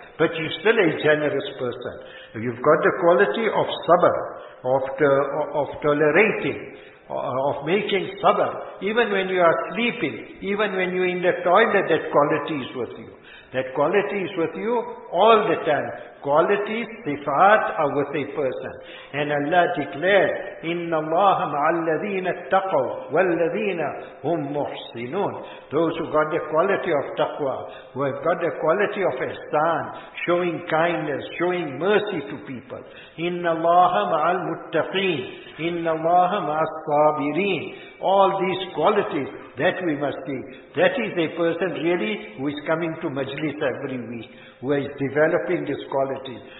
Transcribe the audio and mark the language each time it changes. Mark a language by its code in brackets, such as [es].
[en] But you're still a generous person. You've got the quality of sabr, of tolerating, of making sabr. Even when you are sleeping, even when you're in the toilet, that quality is with you. That quality is with you all the time. Qualities, sifat are with a person. And Allah declared, [ar] إِنَّ اللَّهَ مَعَ الَّذِينَ اتَّقَوْا وَالَّذِينَ هُمْ مُحْسِنُونَ. [en] Those who got the quality of taqwa, who have got the quality of ihsan, showing kindness, showing mercy to people. [ar] إِنَّ اللَّهَ مَعَ الْمُتَّقِينَ. إِنَّ اللَّهَ مَعَ الصَّابِرِينَ. [en] All these qualities, that we must be. That is a person really who is coming to majlis every week, who is developing this quality.